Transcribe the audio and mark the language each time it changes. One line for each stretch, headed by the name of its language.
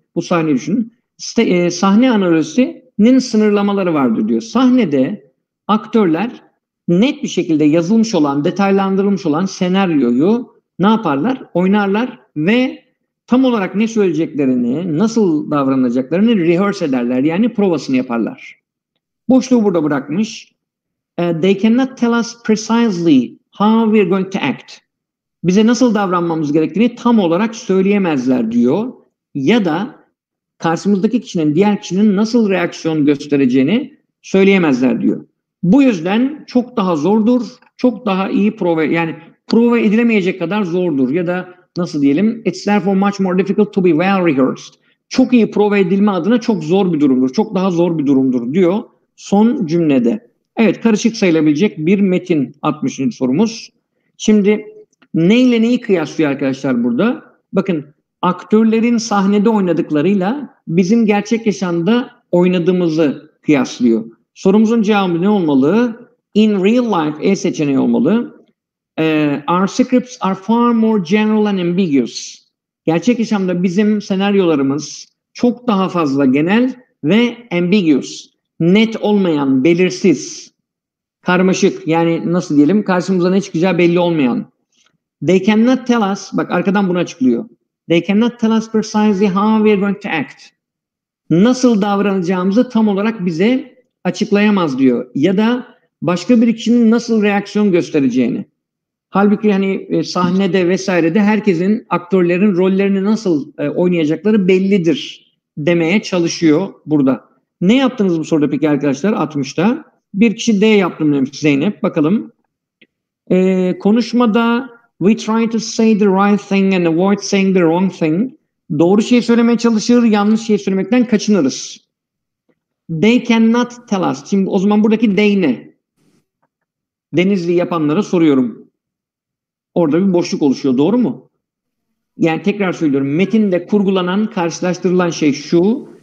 Turkish: Bu sahneyi düşünün. Sahne analojisinin sınırlamaları vardır diyor. Sahnede aktörler net bir şekilde yazılmış olan, detaylandırılmış olan senaryoyu ne yaparlar? Oynarlar ve tam olarak ne söyleyeceklerini, nasıl davranacaklarını rehearse ederler. Yani provasını yaparlar. Boşluğu burada bırakmış.
English: They cannot tell us precisely how we're going to act.
Turkish: Bize nasıl davranmamız gerektiğini tam olarak söyleyemezler diyor. Ya da karşımızdaki kişinin, diğer kişinin nasıl reaksiyon göstereceğini söyleyemezler diyor. Bu yüzden çok daha zordur, çok daha iyi prova, yani prova edilemeyecek kadar zordur. Ya da nasıl diyelim,
English: it's therefore much more difficult to be well rehearsed.
Turkish: Çok iyi prova edilme adına çok zor bir durumdur, çok daha zor bir durumdur diyor son cümlede. Evet, karışık sayılabilecek bir metin 60. sorumuz. Şimdi neyle neyi kıyaslıyor arkadaşlar burada? Bakın, aktörlerin sahnede oynadıklarıyla bizim gerçek yaşamda oynadığımızı kıyaslıyor. Sorumuzun cevabı ne olmalı?
English: In real life
Turkish: E seçeneği olmalı.
English: Our scripts are far more general and ambiguous.
Turkish: Gerçek yaşamda bizim senaryolarımız çok daha fazla genel ve ambiguous. Net olmayan, belirsiz, karmaşık, yani nasıl diyelim, karşımıza ne çıkacağı belli olmayan.
English: They cannot tell us,
Turkish: bak arkadan bunu açıklıyor.
English: They cannot tell us precisely how we are going to act.
Turkish: Nasıl davranacağımızı tam olarak bize açıklayamaz diyor. Ya da başka bir kişinin nasıl reaksiyon göstereceğini. Halbuki hani sahnede vesairede herkesin, aktörlerin rollerini nasıl oynayacakları bellidir demeye çalışıyor burada. Ne yaptınız bu soruda peki arkadaşlar 60'ta? Bir kişi D yaptım demiş Zeynep. Bakalım. Konuşmada
English: we try to say the right thing and avoid saying the wrong thing.
Turkish: Doğru şeyi söylemeye çalışır, yanlış şeyi söylemekten kaçınırız.
English: They cannot tell us.
Turkish: Şimdi o zaman buradaki they ne? Denizli yapanlara soruyorum. Orada bir boşluk oluşuyor. Doğru mu? Yani tekrar söylüyorum. Metinde kurgulanan, karşılaştırılan şey şu.